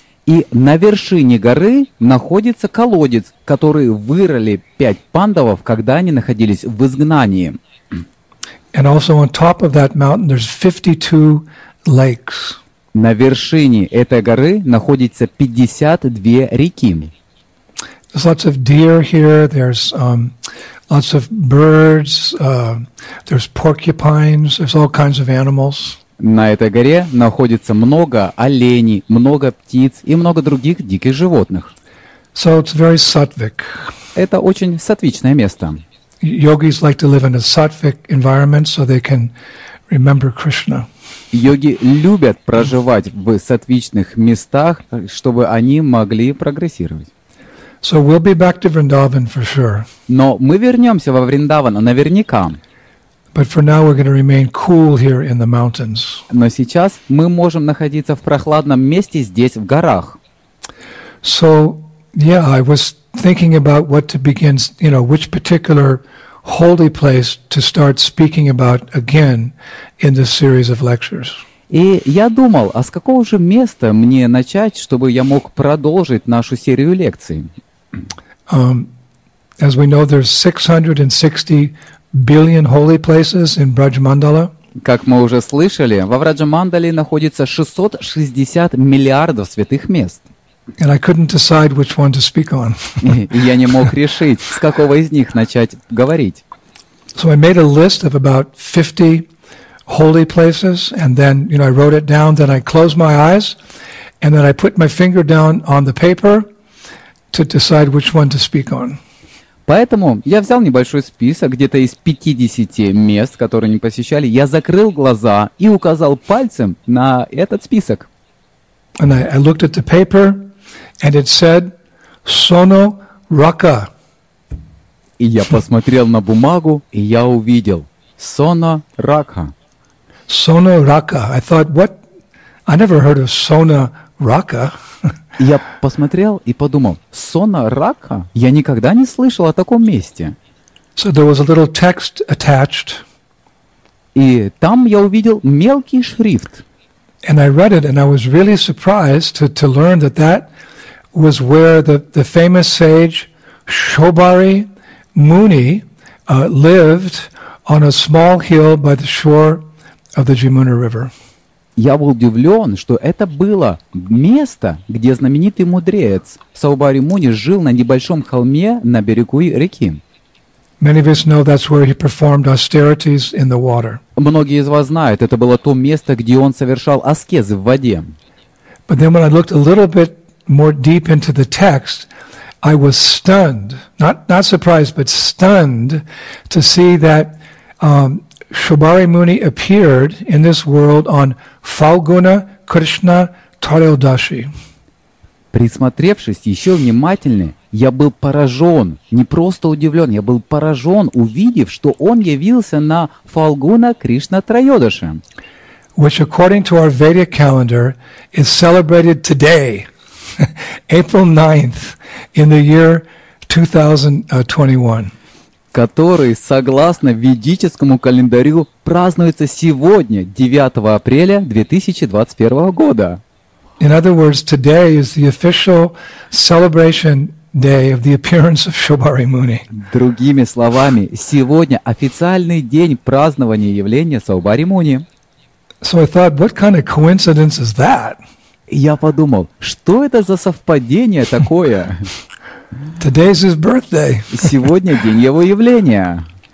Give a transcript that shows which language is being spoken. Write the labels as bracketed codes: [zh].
[ru] И на вершине горы находится колодец, который вырыли пять пандавов, когда они находились в изгнании. [en] And also on top of that mountain there's 52 lakes. [ru] На вершине этой горы находится 52 реки. [en] There's lots of deer here, there's lots of birds, there's porcupines, there's all kinds of animals. [ru] На этой горе находится много оленей, много птиц и много других диких животных. [en] So it's very sattvic. [ru] Это очень сатвичное место. [en] Yogis like to live in a sattvic environment so they can remember Krishna. [ru] Йоги любят проживать в сатвичных местах, чтобы они могли прогрессировать. [en] So we'll be back to Vrindavan for sure. [ru] Но мы вернемся во Вриндаван наверняка. [en] But for now we're going to remain cool here in the mountains. [ru] Но сейчас мы можем находиться в прохладном месте здесь, в горах. [en] So, yeah, I was thinking about what to begin, you know, which particular holy place to start speaking about again in this series of lectures. [ru] И я думал, а с какого же места мне начать, чтобы я мог продолжить нашу серию лекций? [en] As we know, there's 660 billion holy places in Brajmandala. [ru] Как мы уже слышали, во Враджамандале находится 660 миллиардов святых мест. [en] And I couldn't decide which one to speak on. [ru] Я не мог решить, с какого из них начать говорить. [en] So I made a list of about 50 holy places, and then, you know, I wrote it down, then I closed my eyes, and then I put my finger down on the paper to decide which one to speak on. [ru] Поэтому я взял небольшой список, где-то из 50 мест, которые не посещали, я закрыл глаза и указал пальцем на этот список. [en] And I looked at the paper, and it said, Sono Raka. [ru] И я посмотрел на бумагу, и я увидел, Sono Raka. [en] Sono Raka. I thought, what? I never heard of Sono Raka. [ru] Я посмотрел и подумал, Сона Рака? Я никогда не слышал о таком месте. [en] So there was a little text attached. [ru] И там я увидел мелкий шрифт. [en] And I read it, and I was really surprised to learn that that was where the famous sage Shobari Muni lived on a small hill by the shore of the Jamuna River. [ru] Я был удивлен, что это было место, где знаменитый мудрец Шобари Муни жил на небольшом холме на берегу реки. [en] Many of us know that's where he performed austerities in the water. [ru] Многие из вас знают, это было то место, где он совершал аскезы в воде. [en] But then when I looked a little bit more deep into the text, I was stunned, not surprised, but stunned to see that Shobari Muni appeared in this world on Falguna Krishna Trayodashi. [ru] Присмотревшись еще внимательнее, я был поражен, не просто удивлен, я был поражен, увидев, что он явился на Фалгуна Кришна Трайодаши. [en] Which, according to our Vedic calendar, is celebrated today, April 9th, in the year 2021. [ru] Который, согласно ведическому календарю, празднуется сегодня, 9 апреля 2021 года. [en] In other words, today is the official celebration day of the appearance of Shobari Muni. [ru] Другими словами, сегодня официальный день празднования явления Шобари Муни. [en] So I thought, what kind of coincidence is that? [ru] Я подумал, что это за совпадение такое? [en] Today's his birthday. [ru] Сегодня день его явления.